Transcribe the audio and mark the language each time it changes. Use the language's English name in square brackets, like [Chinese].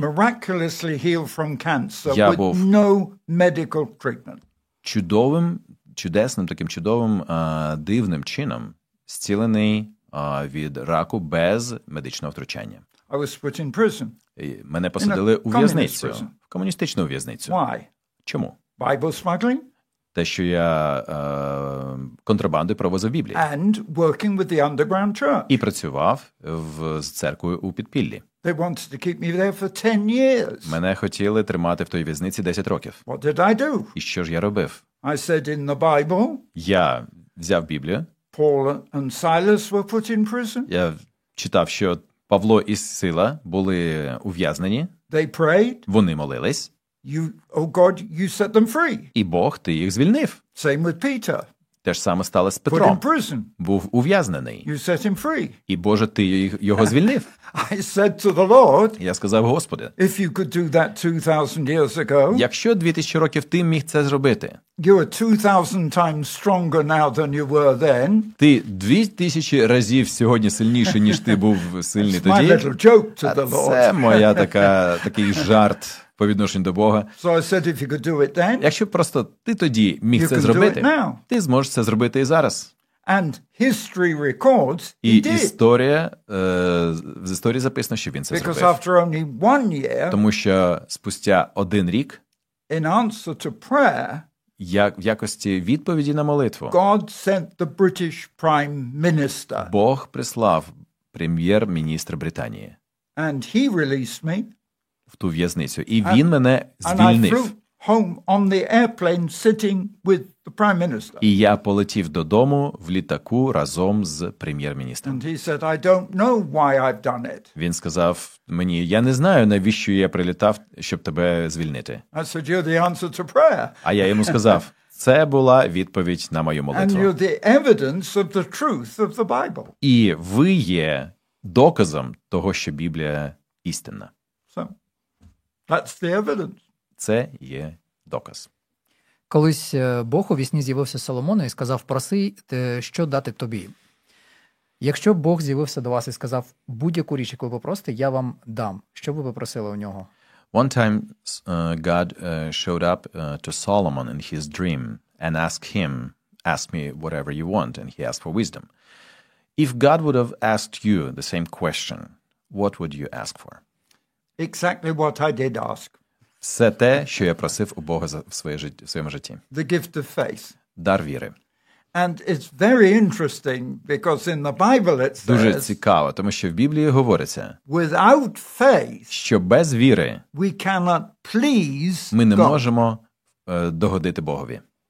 [English] I've been miraculously healed from cancer with no medical treatment. [Ukrainian] Чудовим, чудесним, таким чудовим, дивним чином зцілений від раку без медичного втручання. [English] I was put in prison. [Ukrainian] Мене посадили у в'язницю, в комуністичну в'язницю. [English] Why? [Ukrainian] Чому? [English] Bible smuggling? [Ukrainian] Те, що я контрабандою провозив Біблію. [English] And working with the underground church. [Ukrainian] І працював з церквою у підпіллі. [English] They wanted to keep me there for 10 years. [Ukrainian] Мене хотіли тримати в той в'язниці 10 років. [English] What did I do? [Ukrainian] І що ж я робив? [English] I said in the Bible. [Ukrainian] Я взяв Біблію. [English] Paul and Silas were put in prison. [Ukrainian] Я читав, що Павло і Сила були ув'язнені. [English] They prayed. [Ukrainian] Вони молились. [English] You, oh God, you set them free. [Ukrainian] І Бог, ти їх звільнив. [English] Same with Peter. [Ukrainian] Те ж саме сталося з Петром. [English] Put in prison. [Ukrainian] Був ув'язнений. [English] You set him free. [Ukrainian] І Боже, ти його звільнив. [English] I said to the Lord, [Ukrainian] я сказав Господи, [English] if you could do that 2000 years ago, [Ukrainian] якщо 2000 років ти міг це зробити, [English] you are 2000 times stronger now than you were then. [Ukrainian] Ти 2000 разів сьогодні сильніший, ніж ти був сильний тоді. [English] My little joke to the Lord. [Ukrainian] Це моя така, такий жарт по відношенню до Бога. [English] So I said, if you could do it then, [Ukrainian] якщо просто ти тоді міг це зробити, ти зможеш це зробити і зараз. [English] And history records, [Ukrainian] і історія, в історії записано, що він це [English] Because [Ukrainian] зробив. [English] After only one year, [Ukrainian] тому що спустя один рік, [English] in answer to prayer, [Ukrainian] як, в якості відповіді на молитву, [English] God sent the British Prime Minister. [Ukrainian] Бог прислав прем'єр-міністра Британії. [English] And he released me. [Ukrainian] В ту в'язницю. І він мене звільнив. [English] And I flew home on the airplane sitting with the Prime Minister. [Ukrainian] І я полетів додому в літаку разом з прем'єр-міністром. [English] And he said, I don't know why I've done it. [Ukrainian] Він сказав мені, я не знаю, навіщо я прилітав, щоб тебе звільнити. [English] I said, you're the answer to prayer. [Ukrainian] А я йому сказав, це була відповідь на мою молитву. [English] And you're the evidence of the truth of the Bible. [Ukrainian] І ви є доказом того, що Біблія істинна. [English] That's the evidence. [Ukrainian] Це є доказ. Колись Бог у вісні з'явився Соломону і сказав, проси, що дати тобі. Якщо Бог з'явився до вас і сказав, будь-яку річ, яку ви попросите, я вам дам. Що ви попросили у нього? [English] One time God showed up to Solomon in his dream and asked him, ask me whatever you want, and he asked for wisdom. If God would have asked you the same question, what would you ask for? Exactly what I did ask. [Ukrainian] Все те, що я просив у Бога в своєму житті. [English] The gift of faith. [Ukrainian] Дар віри. [English] And it's very interesting because in the Bible it says, [Ukrainian] дуже цікаво, тому що в Біблії говориться, [English] without faith, [Ukrainian] що без віри, [English] we cannot please [Ukrainian] ми не [English] God. [Ukrainian] Можемо догодити Богові.